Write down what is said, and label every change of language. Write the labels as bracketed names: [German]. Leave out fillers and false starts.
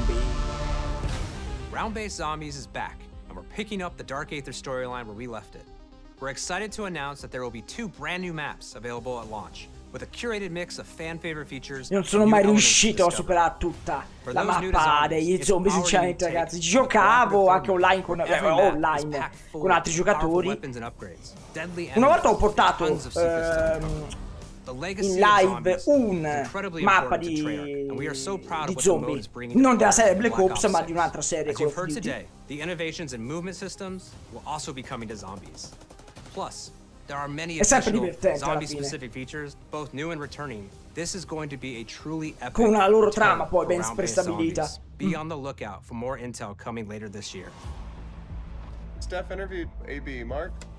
[English] Zombie. Round-based zombies is back, and we're picking up the Dark Aether storyline where we left it. We're excited to announce that there will be two brand new maps available at launch, with a curated mix of fan favorite features. [Italian] Non sono mai riuscito a superare tutta la mappa degli zombie, sinceramente, ragazzi. Giocavo anche online con online con altri giocatori. Una volta ho portato in live un mappa di zombie, non della serie Black Ops, ma di un'altra serie Call of Duty. [English] Today, the innovations in movement systems will also be coming to zombies. Plus, there are many additional zombie-specific features, both new and returning. This is going to be a truly epic. [Italian] Con una loro trama poi ben prestabilita. [English] Be on the lookout for more intel coming later this year. Steph interviewed AB Mark.